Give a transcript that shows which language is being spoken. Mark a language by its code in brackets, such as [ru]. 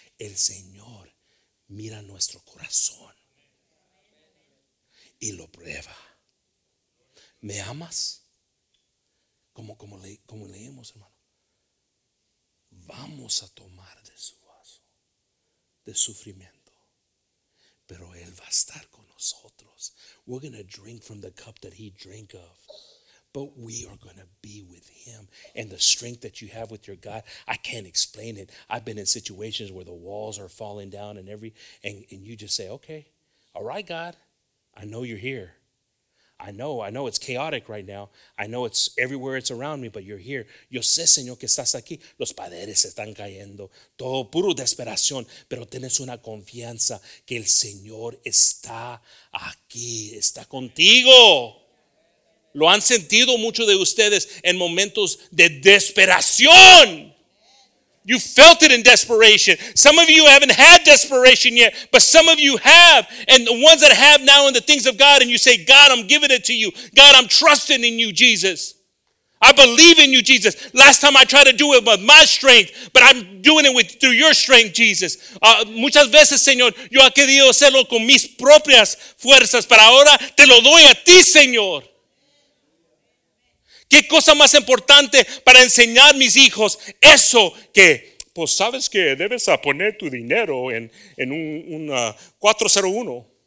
[es] El Señor mira nuestro corazón y lo prueba. ¿Me amas? Como leemos, hermano. Vamos a tomar de su vaso, de sufrimiento. Pero Él va a estar con nosotros. [en] We're going to drink from the cup that He drank of. But we are going to be with Him. And the strength that you have with your God, I can't explain it. I've been in situations where the walls are falling down and every, and you just say, okay, all right, God, I know you're here. I know it's chaotic right now. I know it's everywhere, it's around me, but you're here. [es] Yo sé, Señor, que estás aquí. Los padres están cayendo. Todo puro desesperación. Pero tienes una confianza que el Señor está aquí. Está contigo. Lo han sentido muchos de ustedes en momentos de desesperación. [en] You felt it in desperation. Some of you haven't had desperation yet, but some of you have. And the ones that have now in the things of God, and you say, God, I'm giving it to you. God, I'm trusting in you, Jesus. I believe in you, Jesus. Last time I tried to do it with my strength, but I'm doing it with through your strength, Jesus. [es] Muchas veces, Señor, yo he querido hacerlo con mis propias fuerzas, pero ahora te lo doy a ti, Señor. ¿Qué cosa más importante para enseñar a mis hijos? Eso que, pues sabes que debes a poner tu dinero en un 401.